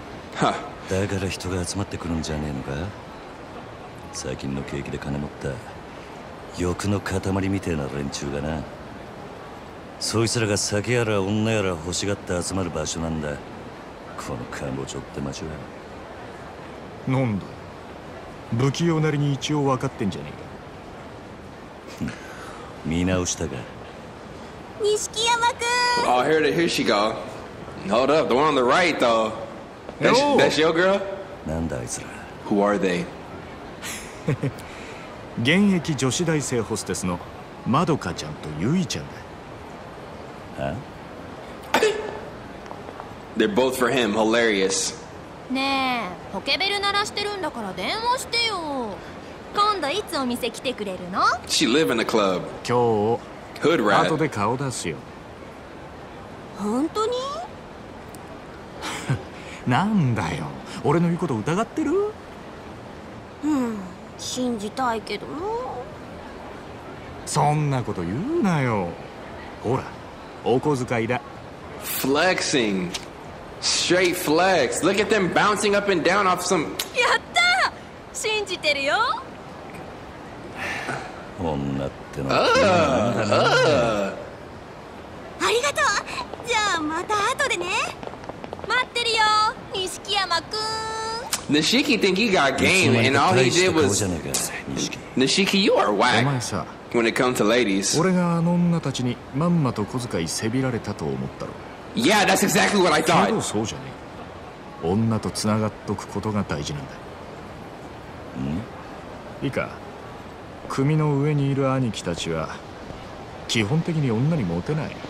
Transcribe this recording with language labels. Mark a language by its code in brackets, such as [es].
[ja] だから人が集まってくるんじゃねえのか最近の景気で金持った欲の塊みてえな連中がなそいつらが酒やら女やら欲しがって集まる場所なんだこの官房長って町は何だ不器用なりに一応分かってんじゃねえか見直したか錦山君 [en] Oh, here she go Hold up, the one on the right though That's your girl? [ja] なんだあいつら [en] Who are they? [ja] 現役女子大生ホステスのマドカちゃんとユイちゃんだは [en] They're both for him, hilarious [ja] ねえ、ポケベル鳴らしてるんだから電話してよ今度いつお店来てくれるの [en] She live in a club [ja] 今日 [en] Hood rat [ja] 後で顔出すよ本当になんだよ俺の言うこと疑ってるうん信じたいけどなそんなこと言うなよほらお小遣いだ [en] Flexing Straight flex Look at them bouncing up and down off some [ja] やった信じてるよ女ってのってなんだな、ありがとうじゃあまた後でね待ってるよ [en] Nishiki think he got game and all he did was Nishiki you are whack when it comes to ladies [ja] 俺があの女たちにまんまと小遣いせびられたと思ったろ [en] Yeah that's exactly what I thought [ja] けどそうじゃねえ女とつながっとくことが大事なんだんいいか組の上にいる兄貴たちは基本的に女にモテない、